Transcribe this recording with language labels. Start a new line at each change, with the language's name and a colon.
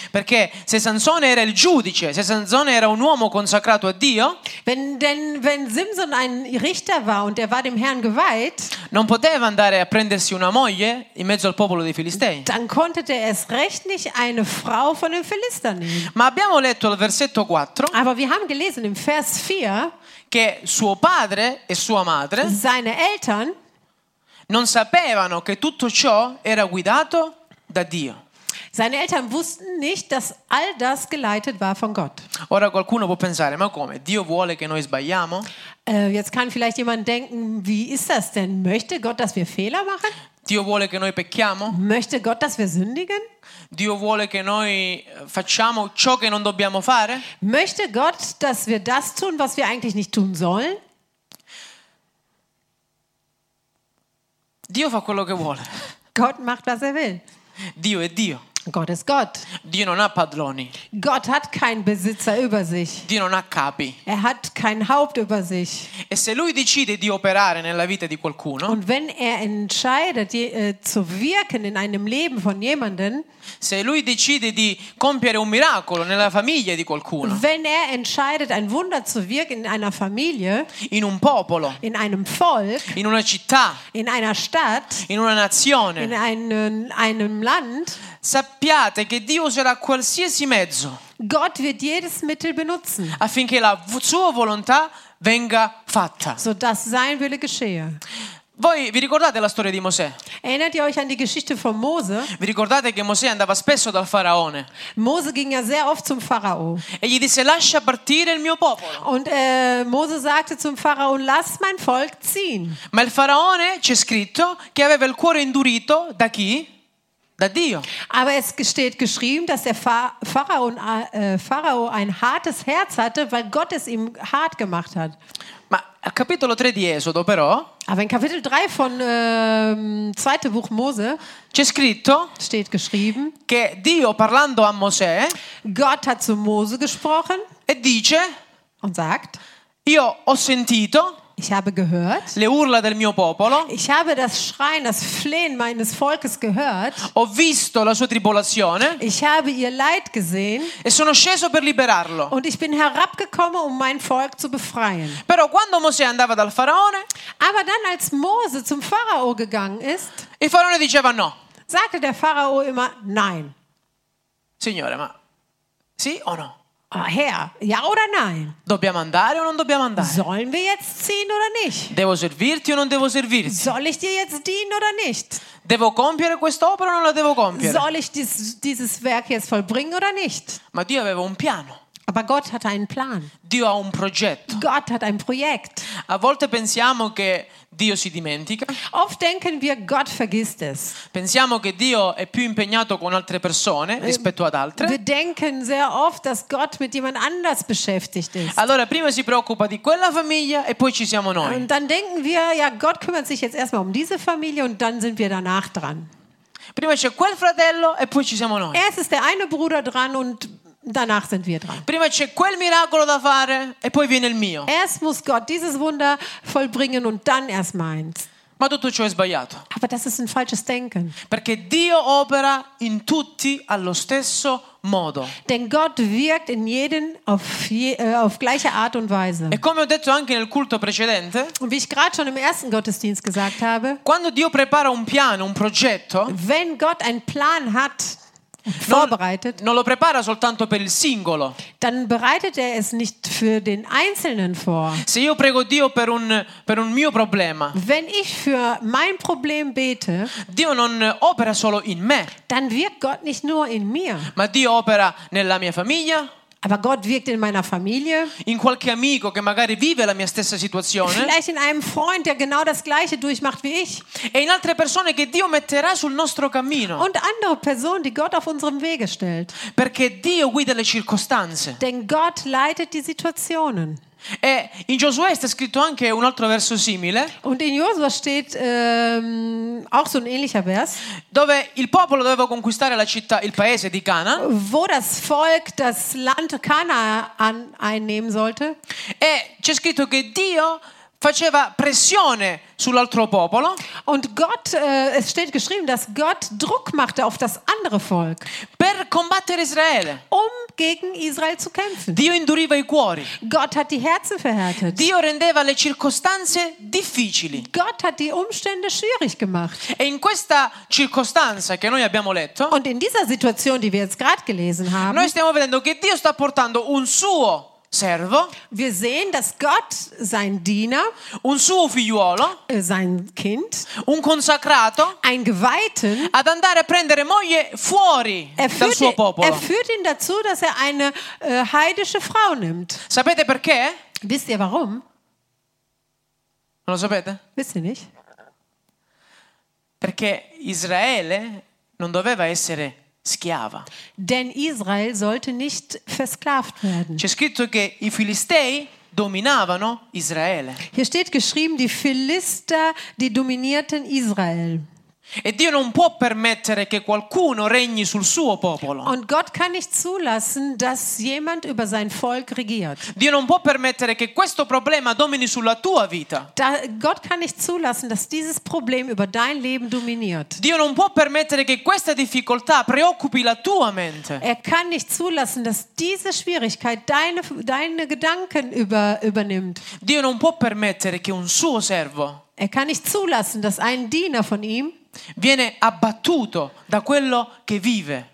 Italian: Perché se Sansone era il giudice, se Sansone era un uomo consacrato a Dio,
German: wenn Simson ein Richter war und er war dem Herrn geweiht,
Italian: non poteva andare a prendersi una moglie in mezzo al popolo dei Filistei.
German: Dann konnte er erst recht nicht eine Frau von den Philistern nehmen.
Italian: Ma abbiamo letto il versetto 4.
German: Aber wir haben gelesen im Vers 4,
Italian: che suo padre e sua madre,
German: seine Eltern,
Italian: non sapevano che tutto ciò era guidato da Dio.
German: Seine Eltern wussten nicht, dass all das geleitet war von Gott.
Italian: Ora qualcuno può pensare, ma come? Dio vuole che noi sbagliamo?
German: Jetzt kann vielleicht jemand denken, wie ist das denn? Möchte Gott, dass wir Fehler machen?
Italian: Dio vuole che noi pecchiamo?
German: Möchte Gott, dass wir sündigen?
Italian: Dio vuole che noi facciamo ciò che non dobbiamo fare?
German: Möchte Gott, dass wir das tun, was wir eigentlich nicht tun sollen?
Italian: Dio fa quello che vuole.
German: Gott macht, was er will.
Italian: Dio è Dio.
German: Gott ist Gott.
Italian: Dio non ha padroni.
German: Gott hat keinen Besitzer über sich.
Italian: Dio non ha capi.
German: Er hat kein Haupt über sich.
Italian: E se lui decide di operare nella vita di qualcuno?
German: Und wenn er entscheidet, zu wirken in einem Leben von jemanden?
Italian: Se lui decide di compiere un miracolo nella famiglia di qualcuno?
German: Wenn er entscheidet, ein Wunder zu wirken in einer Familie?
Italian: In un popolo?
German: In einem Volk?
Italian: In una città?
German: In einer Stadt?
Italian: In una nazione?
German: In einem Land?
Italian: Sappiate che Dio userà qualsiasi mezzo.
German: Gott wird jedes Mittel benutzen.
Italian: Affinché la sua volontà venga fatta.
German: So dass sein Wille geschehe.
Italian: Voi vi ricordate la storia di Mosè?
German: Erinnert ihr euch an die Geschichte von Mose?
Italian: Vi ricordate che Mosè andava spesso dal faraone?
German: Mose ging ja sehr oft zum Pharao.
Italian: E gli disse lascia partire il mio popolo.
German: Und Mose sagte zum Pharao, lass mein Volk ziehen.
Italian: Ma il faraone, c'è scritto, che aveva il cuore indurito da chi? Da Dio.
German: Aber es steht geschrieben, dass der Pharao ein hartes Herz hatte, weil Gott es ihm hart gemacht hat.
Italian: Ma al capitolo 3 di Esodo, però,
German: aber in Kapitel 3 von 2. Buch Mose,
Italian: c'è scritto,
German: steht geschrieben,
Italian: che Dio parlando a Mosè,
German: Gott hat zu Mose gesprochen,
Italian: e dice,
German: und sagt,
Italian: io ho sentito,
German: ich habe gehört.
Italian: Le urla del mio popolo.
German: Ich habe das Schreien, das Flehen meines Volkes gehört.
Italian: Ho visto la sua tribolazione.
German: Ich habe ihr Leid gesehen.
Italian: E sono sceso per liberarlo.
German: Und ich bin herabgekommen, um mein Volk zu befreien.
Italian: Però quando Mosè andava dal faraone.
German: Aber dann, als Mose zum Pharao gegangen ist.
Italian: Il faraone diceva no.
German: Sagte der Pharao immer nein.
Italian: Signore, ma sì o no?
German: Herr, ja oder nein?
Italian: Dobbiamo andare o non dobbiamo andare?
German: Sollen wir jetzt ziehen oder nicht?
Italian: Devo servirti o non devo servirti?
German: Soll ich dir jetzt dienen oder nicht?
Italian: Devo compiere quest'opera o non la devo compiere?
German: Soll ich dieses Werk jetzt vollbringen oder nicht?
Italian: Ma Dio aveva un piano.
German: Aber Gott hat einen Plan.
Italian: Dio ha un progetto.
German: Gott hat ein Projekt.
Italian: A volte pensiamo che Dio si dimentica.
German: Oft denken wir, Gott vergisst es.
Italian: Pensiamo che Dio è più impegnato con altre persone rispetto ad altre.
German: Wir denken sehr oft, dass Gott mit jemand anders beschäftigt ist.
Italian: Allora prima si preoccupa di quella famiglia e poi ci siamo noi.
German: Und dann denken wir, ja, Gott kümmert sich jetzt erstmal um diese Familie und dann sind wir danach dran.
Italian: Prima c'è quel fratello e poi ci siamo noi.
German: Erst ist der eine Bruder dran und danach sind wir dran.
Italian: Prima c'è quel miracolo da fare e poi viene il mio.
German: Erst muss Gott dieses Wunder vollbringen und dann erst meins.
Italian: Ma tutto ciò è sbagliato.
German: Aber das ist ein falsches Denken.
Italian: Perché Dio opera in tutti allo stesso modo.
German: Denn Gott wirkt in jedem auf gleiche Art und Weise.
Italian: E come ho detto anche nel culto precedente,
German: und wie ich gerade schon im ersten Gottesdienst gesagt habe,
Italian: quando Dio prepara un piano, un progetto,
German: wenn Gott einen Plan hat, vorbereitet,
Italian: non lo prepara soltanto per il singolo.
German: Dann bereitet er es nicht für den Einzelnen vor.
Italian: Se io prego Dio per un mio problema,
German: wenn ich für mein Problem bete,
Italian: Dio non opera solo in me,
German: dann wirkt Gott nicht nur in mir,
Italian: ma Dio opera nella mia famiglia.
German: Aber Gott wirkt in meiner Familie.
Italian: In qualche amico che magari vive la mia stessa situazione.
German: Vielleicht in einem Freund, der genau das Gleiche durchmacht wie ich.
Italian: E in altre persone che Dio metterà sul nostro cammino.
German: Und andere Personen, die Gott auf unserem Wege stellt.
Italian: Perché Dio guida le circostanze.
German: Denn Gott leitet die Situationen.
Italian: E in Giosuè sta scritto anche un altro verso simile.
German: Und in Josua steht auch so ein ähnlicher Vers.
Italian: Dove il popolo doveva conquistare la città, il paese di Cana.
German: Wo das Volk das Land Cana einnehmen sollte.
Italian: E c'è scritto che Dio faceva pressione sull'altro popolo.
German: Und Gott, es steht geschrieben, dass Gott Druck machte auf das andere Volk.
Italian: Per combattere Israele.
German: Gegen Israel zu kämpfen.
Italian: Dio induriva i cuori.
German: Gott hat die Herzen verhärtet.
Italian: Dio rendeva le circostanze difficili.
German: Gott hat die Umstände schwierig gemacht.
Italian: E in questa circostanza che noi abbiamo letto,
German: und in dieser Situation, die wir jetzt gerade gelesen haben,
Italian: noi stiamo vedendo che Dio sta portando un suo servo.
German: Wir sehen, dass Gott sein Diener,
Italian: un suo figliuolo,
German: sein Kind,
Italian: un consacrato,
German: ein Geweihten,
Italian: ad andare a prendere moglie fuori dal suo popolo.
German: Er führt ihn dazu, dass er eine heidische Frau nimmt.
Italian: Sapete perché?
German: Wisst ihr warum?
Italian: Non lo sapete?
German: Wisst ihr nicht?
Italian: Perché Israele non doveva essere schiava.
German: Denn Israel sollte nicht versklavt werden.
Italian: C'è scritto che i Filistei dominavano Israele.
German: Hier steht geschrieben, die Philister, die dominierten Israel.
Italian: E Dio non può permettere che qualcuno regni sul suo popolo.
German: Und Gott kann nicht zulassen, dass jemand über sein Volk regiert.
Italian: Dio non può permettere che questo problema domini sulla tua vita.
German: Gott kann nicht zulassen, dass dieses Problem über dein Leben dominiert.
Italian: Dio non può permettere che questa difficoltà preoccupi la tua mente.
German: Er kann nicht zulassen, dass diese Schwierigkeit deine Gedanken übernimmt.
Italian: Dio non può permettere che un suo servo,
German: er kann nicht zulassen, dass ein Diener von ihm
Italian: viene abbattuto da quello che vive,